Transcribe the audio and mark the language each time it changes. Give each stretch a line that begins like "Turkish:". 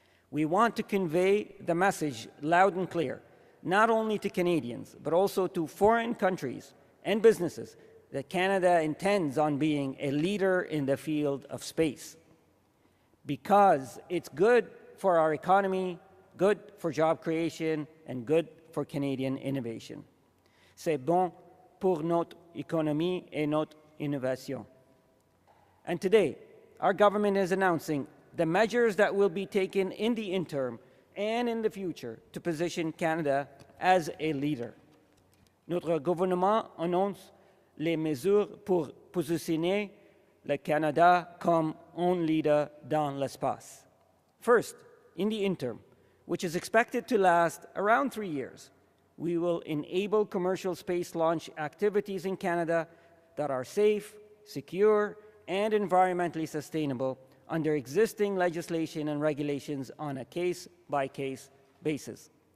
English: We want to convey the message loud and clear, not only to Canadians, but also to foreign countries and businesses, that Canada intends on being a leader in the field of space. Because it's good for our economy, good for job creation, and good for Canadian innovation.
French: C'est bon pour notre économie et notre innovation.
English: And today, our government is announcing the measures that will be taken in the interim and in the future to position Canada as a leader.
French: Notre gouvernement annonce les mesures pour positionner le Canada comme un leader dans l'espace.
English: First, in the interim, which is expected to last around 3 years, we will enable commercial space launch activities in Canada that are safe, secure, and environmentally sustainable under existing legislation and regulations on a case-by-case basis.